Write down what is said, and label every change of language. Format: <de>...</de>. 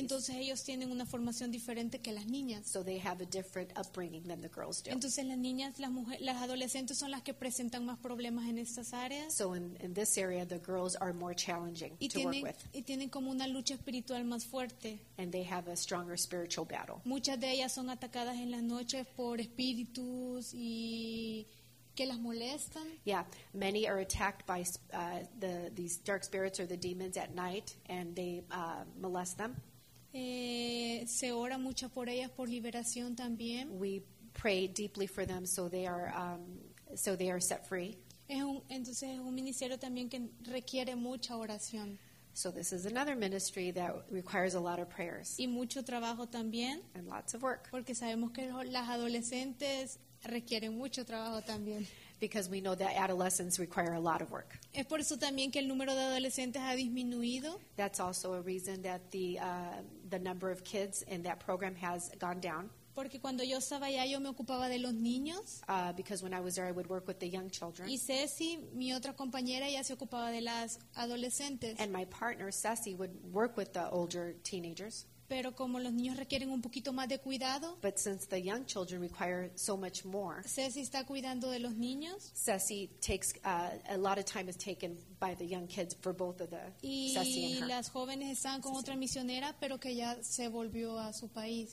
<es>Entonces ellos tienen una formación diferente que las niñas.</es> <en>So they have a different upbringing than the girls do.</en> <es>Entonces las niñas, las mujeres, las adolescentes son las que presentan más problemas en estas áreas.</es> <en>So in this area the girls are more challenging to work with.</en> <es>Y tienen como una lucha espiritual más fuerte.</es> <en>And they have a stronger spiritual battle.</en> <es>Muchas de ellas son atacadas en las noches por espíritus y que las molestan.</es> <en>Yeah, many are attacked by these dark spirits or the demons at night, and they molest them.</en> <es>Se ora mucho por ellas por liberación también.</es> <en>We pray deeply for them so they are set free.</en> <es>Entonces es un ministerio también que requiere mucha oración.</es> <en>So this is another ministry that requires a lot of prayers.</en> <es>Y mucho trabajo también.</es> <en>And lots of work.</en> <es>Porque sabemos que las adolescentes requieren mucho trabajo también.</es> <en>Because we know that adolescents require a lot of work.</en> <es>Es por eso también que el número de adolescentes ha disminuido.</es> <en>That's also a reason that the number of kids in that program has gone down.</en> <es>Porque cuando yo estaba allá yo me ocupaba de los niños.</es> <en>Because when I was there I would work with the young children.</en> <es>Y Ceci, mi otra compañera, ya se ocupaba de las adolescentes.</es> <en>And my partner Ceci would work with the older teenagers.</en> <es>Pero como los niños requieren un poquito más de cuidado,</es> <en>but since the young children require so much more,</en> <es>Ceci está cuidando de los niños.</es> <en>Ceci takes a lot of time is taken by the young kids for both of the Ceci and her.</en> <es>Y las jóvenes están con Ceci. Otra misionera, pero que ya se volvió a su país.</es>